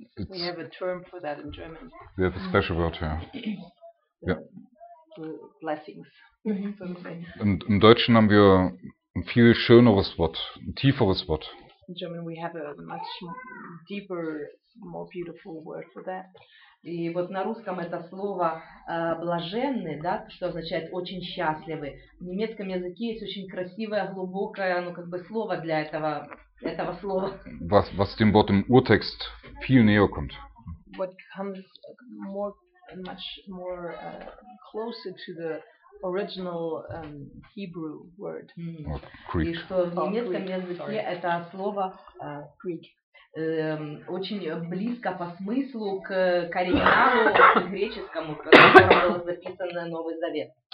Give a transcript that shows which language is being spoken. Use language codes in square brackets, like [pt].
[en] We have a term for that in German. We have a special word, yeah. [de] Ja. Blessings. Im Deutschen haben wir ein viel schöneres Wort, ein tieferes Wort. [en] In German we have a much deeper, more beautiful word for that. [ru] И вот на русском это слово блаженны, да, что означает очень счастливы. В немецком языке есть очень красивое, глубокое, ну как бы слово для этого слова. [de] Was dem Wort im Urtext viel näher kommt. [en] What comes much more closer to the original Hebrew word. Greek. [ru] И что в немецком языке это слово [en] Greek. [ru] Очень близко по смыслу к оригиналу греческому, в котором был записан Новый Завет.